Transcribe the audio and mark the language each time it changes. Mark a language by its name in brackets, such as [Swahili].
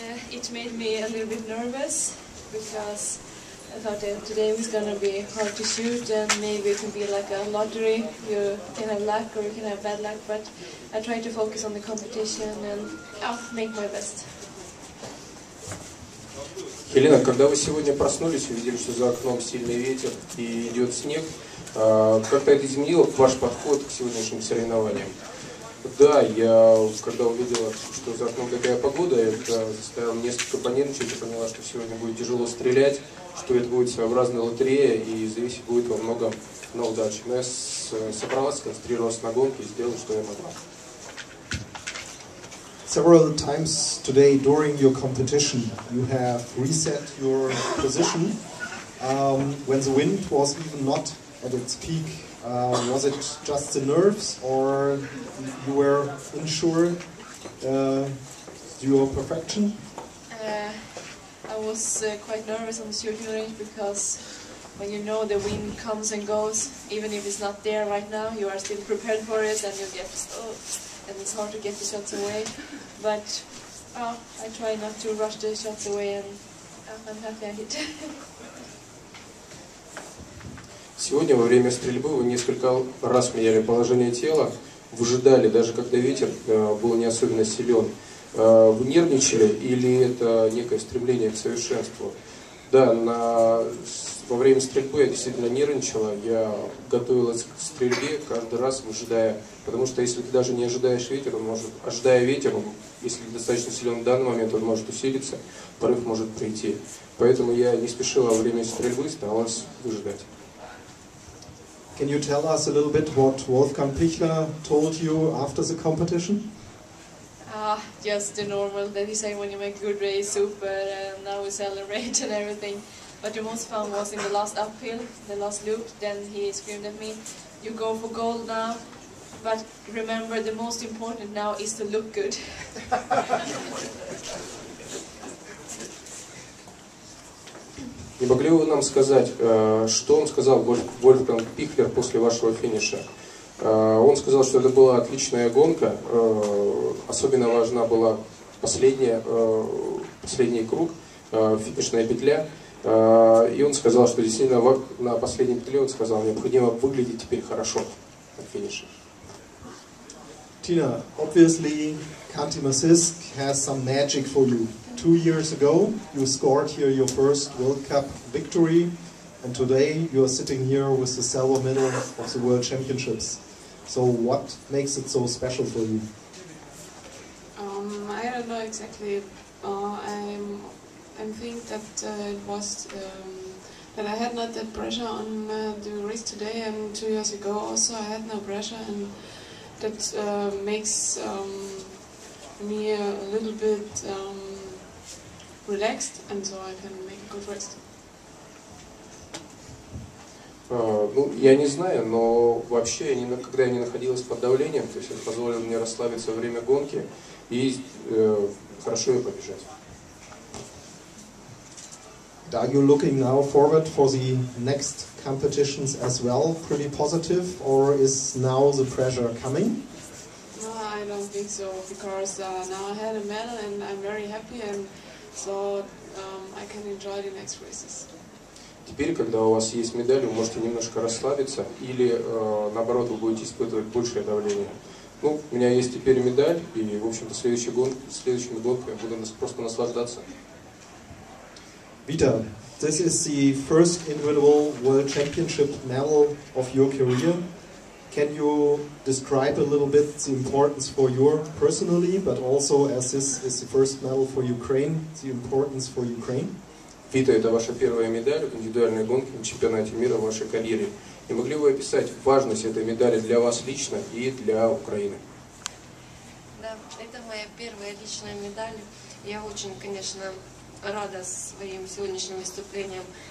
[English] It made me a little bit nervous because I thought that today was going to be hard to shoot and maybe it can be like a lottery. You can have luck or you can have bad luck, but I tried to focus on the competition and make my best. [Russian] Елена, когда вы сегодня проснулись, увидели, что за окном сильный ветер и идет снег, как-то это изменило ваш подход к сегодняшним соревнованиям? Да, я когда увидела, что за окном такая погода, это заставило несколько понервничать, я поняла, что сегодня будет тяжело стрелять, что это будет своеобразная лотерея и зависит будет во многом на удачи. Но я собралась, сконцентрировалась на гонке и сделала, что я могла. [English] Several times today during your competition, you have reset your position when the wind was even not at its peak. Was it just the nerves or you were unsure your perfection? I was quite nervous on the shooting range because when you know the wind comes and goes, even if it's not there right now, you are still prepared for it and you get and it's hard to get the shots away, but I try not to rush the shots away, and I'm happy I hit. [Russian] Сегодня во время стрельбы вы несколько раз меняли положение тела, выжидали, даже когда ветер был не особенно силен. Вы нервничали или это некое стремление к совершенству? Да, во время стрельбы я действительно нервничала, я готовилась к стрельбе, каждый раз выжидая, потому что если ты даже не ожидаешь ветер, он может, ожидая ветер, он, если достаточно силен в данный момент, он может усилиться, порыв может прийти. Поэтому я не спешила во время стрельбы, старалась выжидать. [English] Can you tell us a little bit what Wolfgang Pichler told you after the competition? Just the normal that he said when you make a good race, super, and now we celebrate and everything. But the most fun was in the last uphill, the last loop, then he screamed at me, "You go for gold now, but remember the most important now is to look good." [Russian] Не могли бы вы нам сказать, что он сказал, Вольфганг Пихлер, после вашего финиша? Он сказал, что это была отличная гонка, особенно важна была последний круг, финишная петля. И он сказал, что действительно на последней петле, он сказал, необходимо выглядеть теперь хорошо на финише. [English] Tina, obviously, Kanti Masisk has some magic for you. 2 years ago, you scored here your first World Cup victory, and today you are sitting here with the silver medal of the World Championships. So what makes it so special for you? I don't know exactly. I think that it was that I had not that pressure on the race today, and 2 years ago also I had no pressure, and that makes me a little bit relaxed, and so I can make a good rest. [Russian] Ну, я не знаю, но вообще, когда я не находилась под давлением, то есть это позволило мне расслабиться во время гонки и хорошо ее побежать. [English] Are you looking now forward for the next competitions as well, pretty positive, or is now the pressure coming? No, I don't think so, because now I had a medal and I'm very happy, and so I can enjoy the next races. [Russian] Теперь, когда у вас есть медаль, вы можете немножко расслабиться или, наоборот, вы будете испытывать большее давление. Ну, у меня есть теперь медаль, и, в общем-то, следующий год я буду просто наслаждаться. [English] Vita, this is the first individual World Championship medal of your career. Can you describe a little bit the importance for you personally, but also as this is the first medal for Ukraine, the importance for Ukraine? [Russian] Vita, это ваша первая медаль в индивидуальной гонке на чемпионате мира в вашей карьере. Не могли бы вы описать важность этой медали для вас лично и для Украины? Да, это моя первая личная медаль. Я очень, конечно, рада своим сегодняшним выступлением.